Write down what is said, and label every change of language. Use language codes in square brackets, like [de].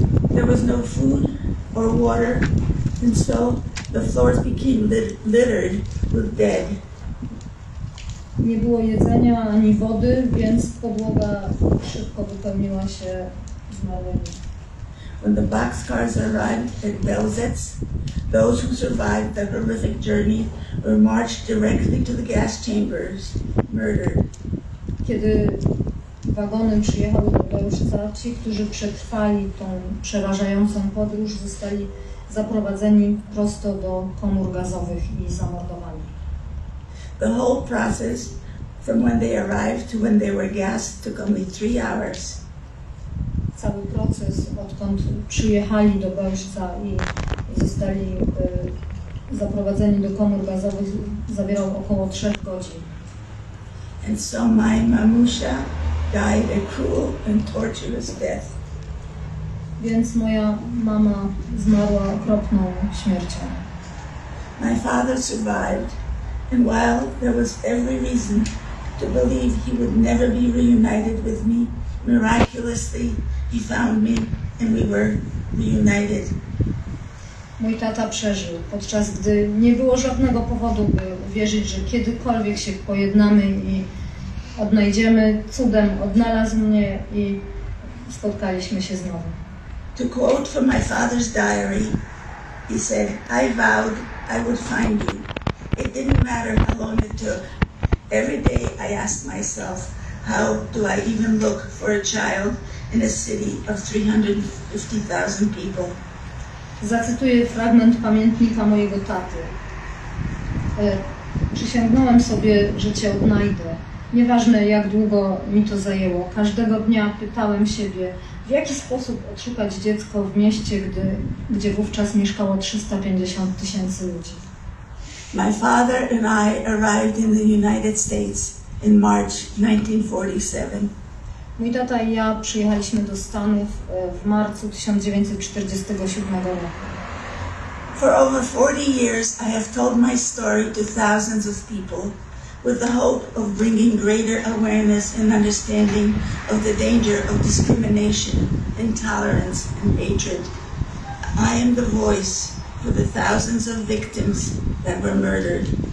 [en] There was no food or water, and so the floors became littered with dead. [pl] Nie było jedzenia ani wody, więc podłoga szybko wypełniła się zmarłymi. [en] When the boxcars arrived at Belzec, those who survived the horrific journey were marched directly to the gas chambers, murdered. [pl] Kiedy wagony przyjechały do Belzeca, ci, którzy przetrwali tą przerażającą podróż, zostali zaprowadzeni prosto do komór gazowych i zamordowani. [en] The whole process, from when they arrived to when they were gassed, took only 3 hours. [pl] Cały proces, odkąd przyjechali do Belzeca i zostali zaprowadzeni do komór gazowych, zabierał około 3 godzin. [en] And so my mamusia died a cruel and torturous death. [pl] Więc moja mama zmarła okropną śmiercią. [en] My father survived, and while there was every reason to believe he would never be reunited with me, miraculously he found me and we were reunited. [pl] Mój tata przeżył, podczas gdy nie było żadnego powodu, by uwierzyć, że kiedykolwiek się pojednamy i odnajdziemy, cudem odnalazł mnie i spotkaliśmy się znowu. [en] To quote from my father's diary, he said, I vowed I would find you. It didn't matter how long it took. Every day I asked myself, how do I even look for a child in a city of 350,000 people? [pl] Zacytuję fragment pamiętnika mojego taty. Przysięgnąłem sobie, że cię odnajdę. Nieważne, jak długo mi to zajęło, każdego dnia pytałem siebie, w jaki sposób odszukać dziecko w mieście, gdzie wówczas mieszkało 350 tysięcy ludzi. [en] My father and I arrived in the United States in March 1947. [pl] Mój tata i ja przyjechaliśmy do Stanów w marcu 1947 roku. [en] For over 40 years I have told my story to thousands of people, with the hope of bringing greater awareness and understanding of the danger of discrimination, intolerance, and hatred. I am the voice for the thousands of victims that were murdered.